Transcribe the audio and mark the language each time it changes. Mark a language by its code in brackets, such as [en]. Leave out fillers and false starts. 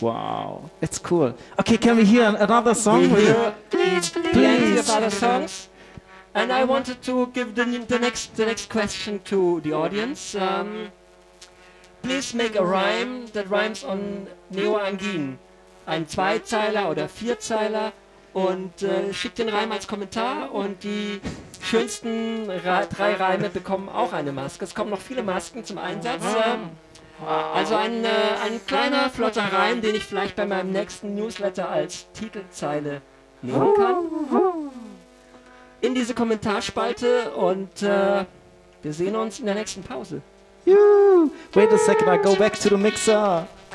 [en] Wow. It's cool. Okay, can we hear another song? Please. Plenty of other songs. And I wanted to give the next question to the audience. Please make a rhyme that rhymes on Neoangin. [de] Ein Zweizeiler oder Vierzeiler. Und schickt den Reim als Kommentar. Und die schönsten drei Reime bekommen auch eine Maske. Es kommen noch viele Masken zum Einsatz. Also ein kleiner flotter Reim, den ich vielleicht bei meinem nächsten Newsletter als Titelzeile nehmen kann. In diese Kommentarspalte und wir sehen uns in der nächsten Pause. [en] Wait a second, I go back to the mixer.